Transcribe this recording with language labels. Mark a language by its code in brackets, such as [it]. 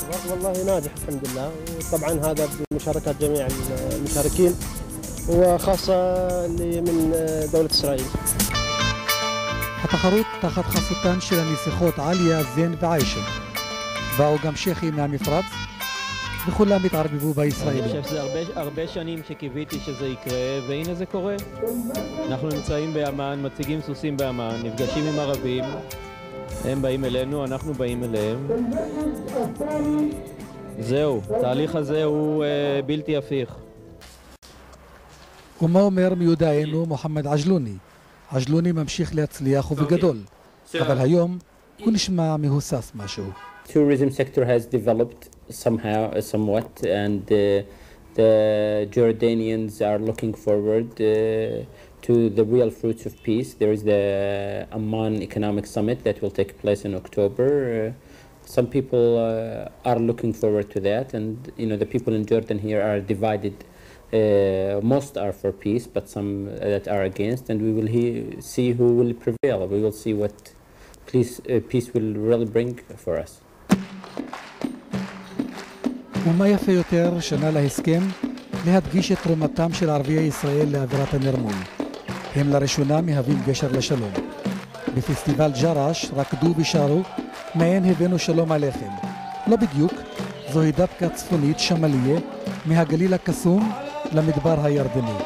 [ar] والله ناجح الحمد لله وطبعا هذا بمشاركة جميع المشاركين وخاصة اللي من دولة إسرائيل. [he] התחרות תחת חסותן של הנסיכות עליה, זן ועיישה. באו גם שכי מהמפרץ וכולם התערבבו בישראלים. אני חושב שזה הרבה שנים שקיוויתי שזה יקרה, והנה זה קורה. אנחנו נמצאים באמן, מציגים סוסים באמן, נפגשים עם ערבים, הם באים אלינו, אנחנו באים אליהם. זהו, התהליך הזה הוא בלתי הפיך. ומה אומר מיודענו מוחמד עג'לוני? עג'לוני ממשיך להצליח ובגדול, אבל היום הוא נשמע מהוסס משהו. [en] Tourism sector has developed somehow, somewhat, and the Jordanians are looking forward to the real fruits of peace. There is the Amman Economic Summit that will take place in October. Some people are looking forward to that, and you know the people in Jordan here are divided. Most are for peace, but some that are against, and we will see who will prevail. We will see what peace will really bring for us. [he] ומה יפה יותר, שנה להסכם, להדגיש את תרומתם של ערביי ישראל לאווירת הנרמול. הם לראשונה מהווים גשר לשלום. בפסטיבל ג'רש רקדו ושרו, מעין הבאנו שלום עליכם. לא בדיוק, זוהי דווקא צפונית שמליה, מהגליל הקסום למדבר הירדני.